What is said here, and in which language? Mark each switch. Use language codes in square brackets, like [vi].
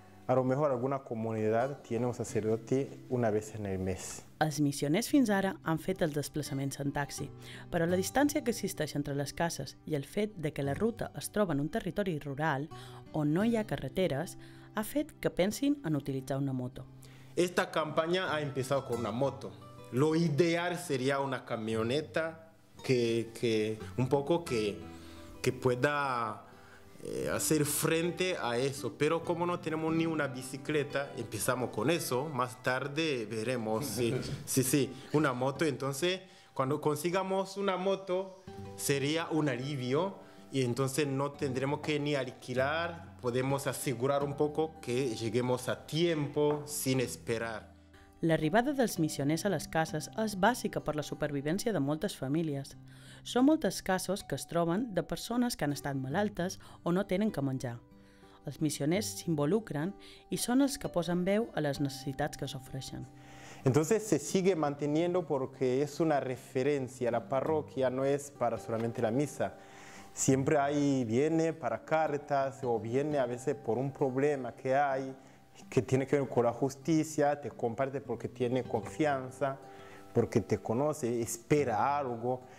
[es] A lo mejor alguna comunidad tiene un sacerdote una vez en el mes. [ca] Els missioners fins ara han fet els desplaçaments en taxi, però la distància que existeix entre les cases i el fet de que la ruta es troba en un territori rural on no hi ha carreteres ha fet que pensin en utilitzar una moto. [es] Esta campaña ha empezado con una moto. Lo ideal sería una camioneta que un poco que pueda hacer frente a eso, pero como no tenemos ni una bicicleta, empezamos con eso, más tarde veremos si una moto. Entonces, cuando consigamos una moto, sería un alivio y entonces no tendremos que ni alquilar, podemos asegurar un poco que lleguemos a tiempo sin esperar. [ca] L'arribada dels missioners a les cases és bàsica per la supervivència de moltes famílies. Són moltes casos que es troben de persones que han estat malaltes o no tenen que menjar. Els missioners s'involucren i són els que posen veu a les necessitats que s'ofereixen. [es] Entonces se sigue manteniendo porque es una referencia. La parroquia no es para solamente la misa. Siempre ahí viene para cartas o viene a veces por un problema que hay, que tiene que ver con la justicia, te comparte porque tiene confianza, porque te conoce, espera algo.